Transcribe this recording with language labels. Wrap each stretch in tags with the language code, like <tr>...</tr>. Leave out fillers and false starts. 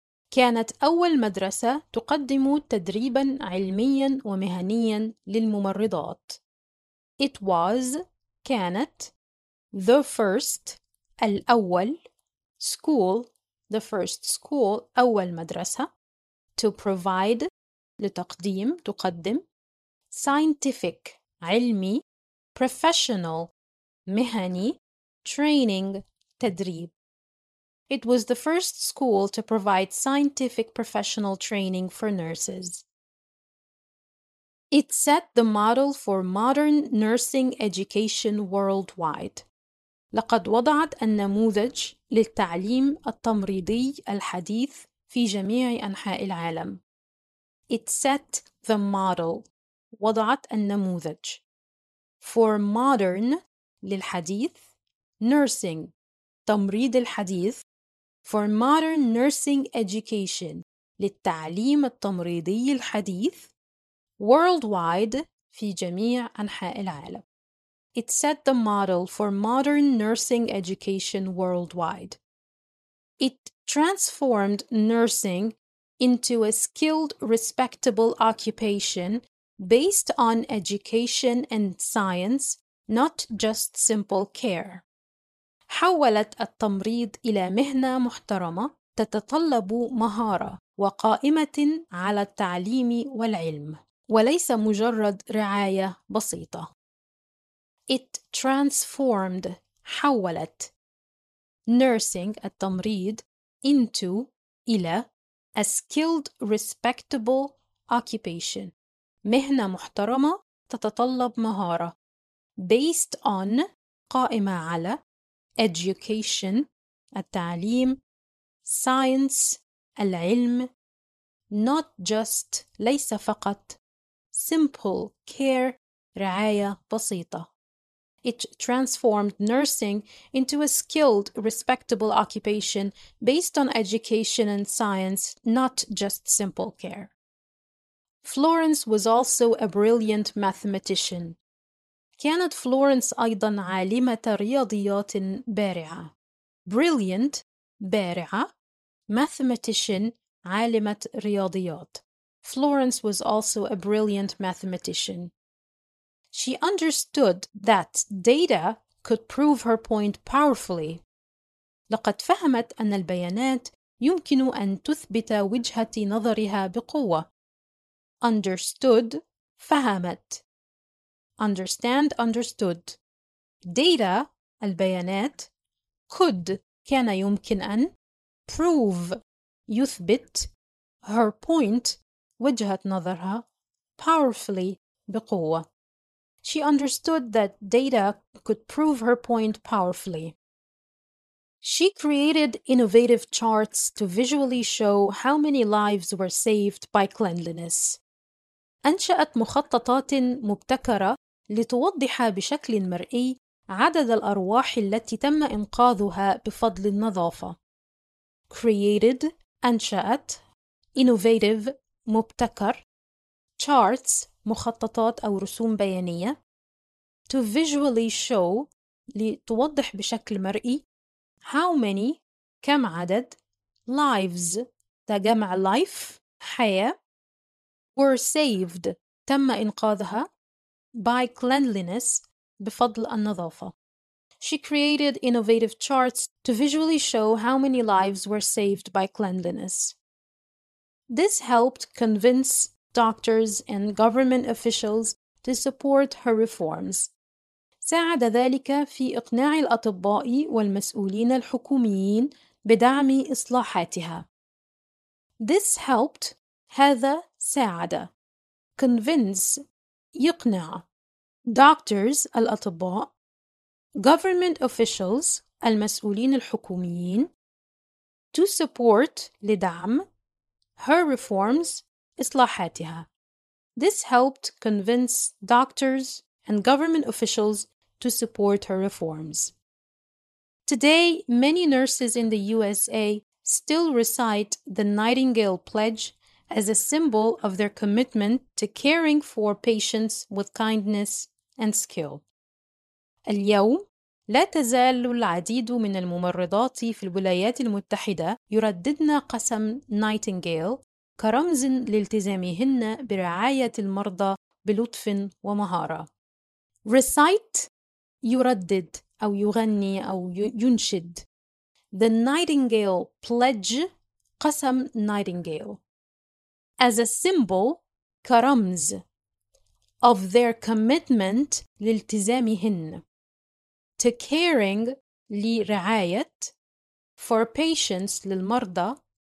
<ar>كانت أول مدرسة تقدم تدريباً علمياً ومهنياً للممرضات.</ar> <en>It was,</en> <ar>كانت,</ar> <en>the first,</en> <ar>الأول,</ar> <en>school, the first school,</en> <ar>أول مدرسة,</ar> <en>to provide,</en> <ar>لتقديم, تقدم,</ar> <en>scientific,</en> <ar>علمي,</ar> <en>professional,</en> <ar>مهني,</ar> <en>training,</en> <ar>تدريب.</ar> <en>It was the first school to provide scientific professional training for nurses. It set the model for modern nursing education worldwide.</en> <ar>لقد وضعت النموذج للتعليم التمريضي الحديث في جميع أنحاء العالم.</ar> <en>It set the model.</en> <ar>وضعت النموذج.</ar> <en>For modern,</en> <ar>للحديث,</ar> <en>nursing,</en> <ar>تمريض الحديث,</ar> <en>for modern nursing education,</en> <ar>للتعليم التمريضي الحديث,</ar> <en>worldwide,</en> <ar>في جميع أنحاء العالم.</ar> <en>It set the model for modern nursing education worldwide. It transformed nursing into a skilled, respectable occupation based on education and science, not just simple care.</en> <ar>حولت التمريض إلى مهنة محترمة تتطلب مهارة وقائمة على التعليم والعلم وليس مجرد رعاية بسيطة.</ar> <en>It transformed,</en> <ar>حولت,</ar> <en>nursing,</en> <ar>التمريض,</ar> <en>into,</en> <ar>إلى,</ar> <en>a skilled, respectable occupation,</en> <ar>مهنة محترمة تتطلب مهارة,</ar> <en>based on,</en> <ar>قائمة على,</ar> <en>education,</en> <ar>التعليم,</ar> <en>science,</en> <ar>العلم,</ar> <en>not just,</en> <ar>ليس فقط,</ar> <en>simple care,</en> <ar>رعاية بسيطة.</ar> <en>It transformed nursing into a skilled, respectable occupation based on education and science, not just simple care. Florence was also a brilliant mathematician.</en> <ar>كانت فلورنس أيضاً عالمة رياضيات بارعة.</ar> <en>Brilliant,</en> <ar>بارعة.</ar> <en>Mathematician,</en> <ar>عالمة رياضيات.</ar> <en>Florence was also a brilliant mathematician. She understood that data could prove her point powerfully.</en> <ar>لقد فهمت أن البيانات يمكن أن تثبت وجهة نظرها بقوة.</ar> <en>Understood,</en> <ar>فهمت.</ar> <en>Understand, understood. Data, البيانات, could,</en> <ar>كان يمكن أن,</ar> <en>prove,</en> <ar>يثبت,</ar> <en>her point,</en> <ar>وجهة نظرها,</ar> <en>powerfully,</en> <ar>بقوة.</ar> <en>She understood that data could prove her point powerfully. She created innovative charts to visually show how many lives were saved by cleanliness.</en> <ar>أنشأت مخططات مبتكرة لتوضح بشكل مرئي عدد الأرواح التي تم إنقاذها بفضل النظافة.</ar> <en>Created,</en> <ar>أنشأت,</ar> <en>innovative,</en> <ar>مبتكر,</ar> <en>charts,</en> <ar>مخططات أو رسوم بيانية,</ar> <en>to visually show,</en> <ar>لتوضح بشكل مرئي,</ar> <en>how many,</en> <ar>كم عدد,</ar> <en>lives,</en> <ar>تجمع</ar> <en>life,</en> <ar>حياة,</ar> <en>were saved,</en> <ar>تم إنقاذها,</ar> <en>by cleanliness,</en> <ar>بفضل النظافة.</ar> <en>She created innovative charts to visually show how many lives were saved by cleanliness. This helped convince doctors and government officials to support her reforms.</en> <ar>ساعد ذلك في إقناع الأطباء والمسؤولين الحكوميين بدعم إصلاحاتها.</ar> <en>This helped,</en> <ar>هذا ساعد,</ar> <en>convince,</en> <ar>يقنع,</ar> <en>doctors,</en> <ar>الأطباء,</ar> <en>government officials,</en> <ar>المسؤولين الحكوميين,</ar> <en>to support,</en> <ar>لدعم,</ar> <en>her reforms,</en> <ar>إصلاحاتها.</ar> <en>This helped convince doctors and government officials to support her reforms. Today, many nurses in the USA still recite the Nightingale Pledge as a symbol of their commitment to caring for patients with kindness and skill.</en> <ar>اليوم لا تزال العديد من الممرضات في الولايات المتحدة يرددن قسم Nightingale كرمز لالتزامهن برعاية المرضى بلطف ومهارة.</ar> <en>Recite,</en> <ar>يردد أو يغني أو ينشد.</ar> <en>The Nightingale Pledge,</en> <ar>قسم</ar> <en>Nightingale. As a symbol,</en> <ar>كرمز.</ar> <en>Of their commitment,</en> <ar>لالتزامهن.</ar> <en>To caring,</en> <ar>لرعاية.</ar> <en>For patients,</en> <ar>للمرضى.</ar>